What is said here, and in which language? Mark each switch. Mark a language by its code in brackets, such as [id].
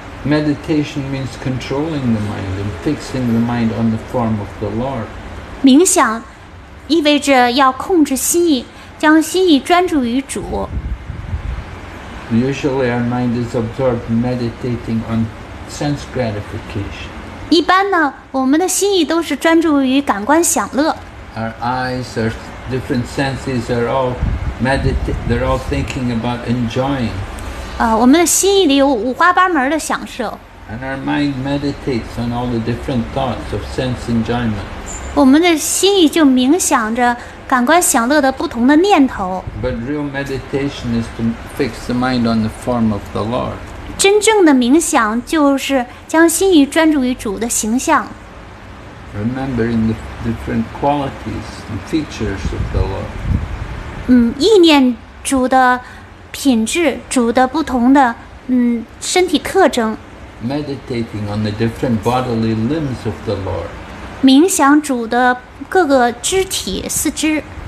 [en] Meditation means controlling the mind and fixing the mind on the form of the Lord. [zh] 冥想意味着要控制心意，将心意专注于主。 [en] Usually our mind is absorbed meditating on sense gratification. [zh] 一般呢，我们的心意都是专注于感官享乐。 [en] Our eyes, our different senses are all they're all thinking about enjoying. [zh] 我们的心意里有五花八门的享受。 [en] And our mind meditates on all the different thoughts of sense enjoyment. [zh] 我们的心意就冥想着感官享乐的不同的念头。 [en] But real meditation is to fix the mind on the form of the Lord. [zh] 真正的冥想就是将心意专注于主的形象。 [en] Remembering the different qualities and features of the Lord. [zh] 意念主的品质，主的不同的身体特征。 [en] Meditating on the different bodily limbs of the Lord. [zh] 冥想主的各个肢体四肢。